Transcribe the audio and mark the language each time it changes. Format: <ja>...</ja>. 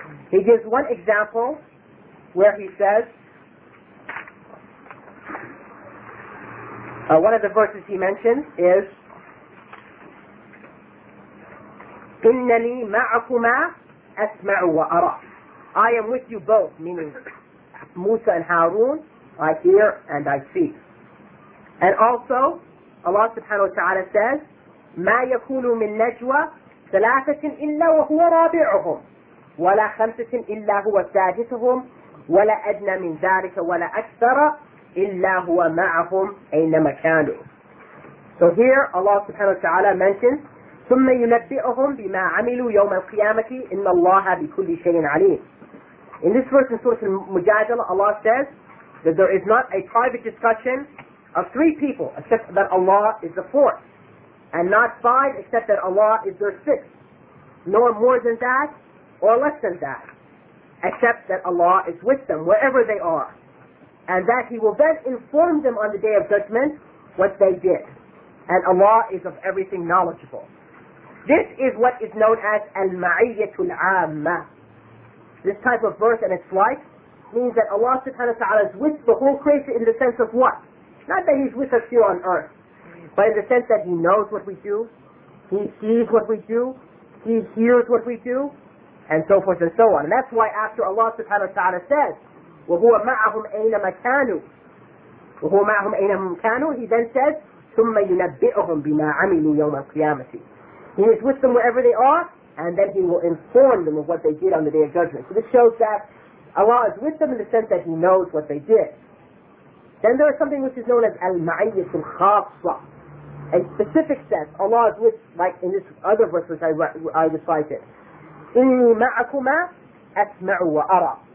<en>He gives one example where he says, one of the verses he mentions is,</en> <ar>إِنَّنِي مَعَكُمَا أَسْمَعُ وَأَرَى.</ar> <en>I am with you both, meaning Musa and Harun, I hear and I see. And also, Allah subhanahu wa ta'ala says,</en> <ar>مَا يَكُونُ مِنْ نَجْوَى ثَلَاثَةٍ إِلَّا وَهُوَ رَابِعُهُمْ وَلَا خَمْسَةٍ إِلَّا هُوَ سَادِسُهُمْ وَلَا أَدْنَى مِنْ ذَلِكَ وَلَا أَكْثَرَ إِلَّا هُوَ مَعَهُمْ أَيْنَمَا كَانُوا.</ar> <en>So here, Allah subhanahu wa ta'ala mentions,</en> <ar>ثُمَّ يُنَبِّئُهُمْ بِمَا عَمِلُوا يَوْمَ الْقِيَامَةِ إِنَّ اللَّهَ بِكُلِّ شَيْءٍ عَلِيمٍ.</ar> <en>In this verse in Surah Al-Mujadala, Allah says that there is not a private discussion of three people except that Allah is the fourth, and not five except that Allah is their sixth, nor more than that or less than that, except that Allah is with them wherever they are, and that He will then inform them on the Day of Judgment what they did. And Allah is of everything knowledgeable. This is what is known as al-ma'iyyatul 'amma. This type of verse and its like means that Allah subhanahu wa ta'ala is with the whole creation in the sense of what? Not that He's with us here on earth, but in the sense that He knows what we do, He sees what we do, He hears what we do, and so forth and so on. And that's why after Allah subhanahu wa ta'ala says,</en> <ar>وَهُوَ مَعَهُمْ أَيْنَمَا كَانُوا وَهُوَ مَعَهُمْ أَيْنَمَا كَانُوا,</ar> <en>He then says,</en> <ar>ثُمَّ يُنَبِّئُهُمْ بِمَا عَمِلُوا يَوْمَ الْقِيَامَةِ.</ar> <en>He is with them wherever they are, and then He will inform them of what they did on the Day of Judgment. So this shows that Allah is with them in the sense that He knows what they did. Then there is something which is known as al-ma'iyyatul khassa, a specific sense. Allah is with, like in this other verse which I recited,</en> <ar>إِنِّي مَعَكُمَا أَسْمَعُ وَأَرَى.</ar>